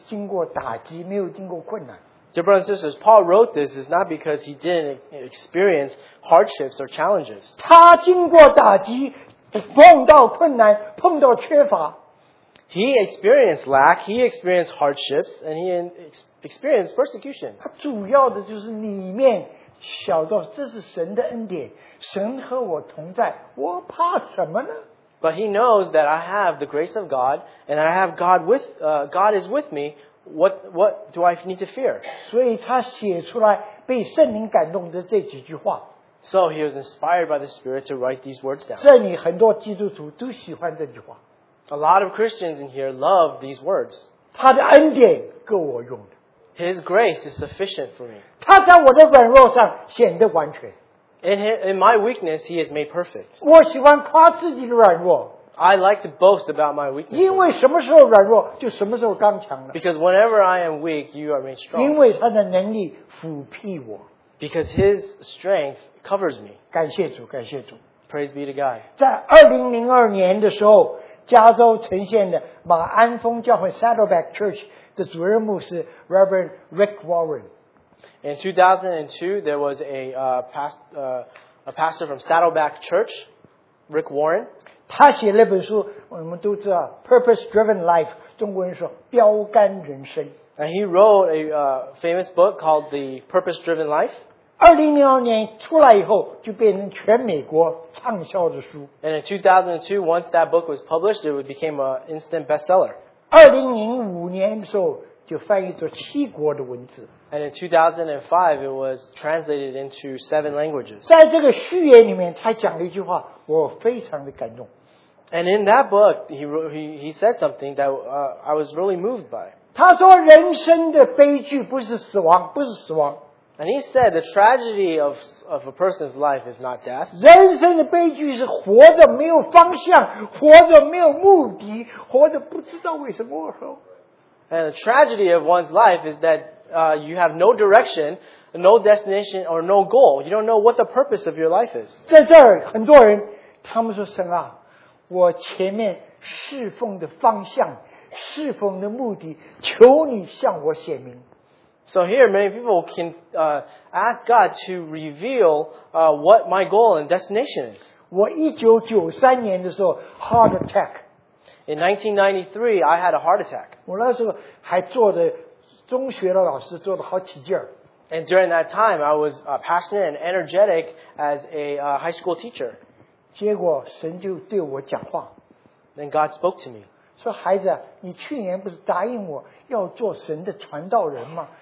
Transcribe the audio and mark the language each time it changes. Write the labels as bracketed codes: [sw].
[zh] 各位，原来他写这话不是他没有经过打击，没有经过困难。 [en] Dear brothers and sisters, Paul wrote this is not because he didn't experience hardships or challenges. [zh] 他经过打击,碰到困难，碰到缺乏。 [en] He experienced lack, he experienced hardships, and he experienced persecution. [zh] 他主要的就是里面晓得这是神的恩典，神和我同在，我怕什么呢？ [en] But he knows that I have the grace of God, and I have God with, God is with me. What do I need to fear? [zh] 所以他写出来被圣灵感动的这几句话。 [en] So he was inspired by the Spirit to write these words down. [zh] 这里很多基督徒都喜欢这句话。 [en] A lot of Christians in here love these words. [zh] 他的恩典够我用的。 [en] His grace is sufficient for me. [zh] 他在我的软弱上显得完全。 [en] In my weakness, he is made perfect. [zh] 我喜欢夸自己的软弱。 [en] I like to boast about my weakness. [zh] 因为什么时候软弱，就什么时候刚强了。 [en] Because whenever I am weak, you are made strong. [zh] 因为他的能力抚庇我。 [en] Because his strength covers me. [zh] 感谢主，感谢主。 [en] Praise be to God. [zh] 在2002年的时候，加州呈现的马鞍峰教会 Saddleback Church 的主任牧师 Reverend Rick Warren。 [en] In 2002, there was a pastor from Saddleback Church, Rick Warren. [zh] 他写了本书，我们都知道 Purpose Driven Life, 中国人说标杆人生。 [en] And he wrote a famous book called The Purpose Driven Life. [zh] 2002年出来以后就变成全美国畅销的书。 [en] And in 2002, once that book was published, it became an instant bestseller. [zh] 2005年的时候就翻译作七国的文字。 [en] And in 2005, it was translated into seven languages. [zh] 在这个序言里面，他讲了一句话，我非常的感动。 [en] And in that book, he said something that I was really moved by. [zh] 他说人生的悲剧不是死亡，不是死亡。 [en] And he said the tragedy of a person's life is not death. [zh] 人生的悲剧是活着没有方向，活着没有目的，活着不知道为什么而活。 [en] And the tragedy of one's life is that you have no direction, no destination, or no goal. You don't know what the purpose of your life is. [zh] 在这儿，很多人，他们说神啊，我前面侍奉的方向，侍奉的目的，求你向我显明。 [en] So here, many people can ask God to reveal what my goal and destination is. [zh] 我1993年的时候 ， [en] heart attack. In 1993, I had a heart attack. [zh] 我那时候还做的。中学的老师做了好几件。 [en] And during that time, I was passionate and energetic as a high school teacher. [zh] 结果神就对我讲话。 [en] Then God spoke to me. [zh] 说孩子，你去年不是答应我要做神的传道人吗？